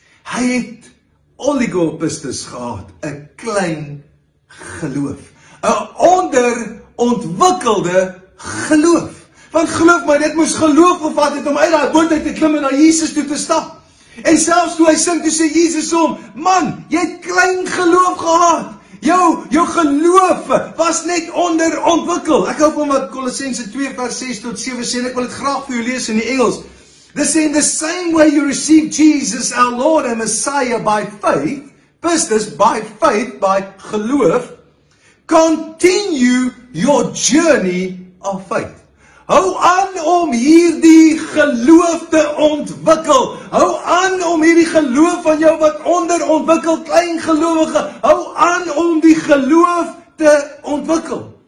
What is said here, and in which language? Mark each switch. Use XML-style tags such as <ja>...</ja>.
<af>Hy het oligopistis gehad, een klein geloof, een onderontwikkelde geloof, want geloof my, dit moes geloof gevat het om uit die boot uit te klim en na Jesus toe te stap, en selfs toe hy sing, toe sê Jesus om, man, jy het klein geloof gehad, Jou geloof was net onderontwikkel. Ek hoop om wat Colossense 2 vers 6 tot 7 sê, ek wil het graag vir jou lees in die Engels.</af> <en>This in the same way you receive Jesus our Lord and Messiah by faith, pistis, by faith,</en> <af>by geloof,</af> <en>continue your journey of faith.</en> <af>Hou aan om hierdie geloof te ontwikkel. Hou aan om hierdie geloof van jou wat onderontwikkel, klein gelowige, hou aan om die geloof te ontwikkel.</af>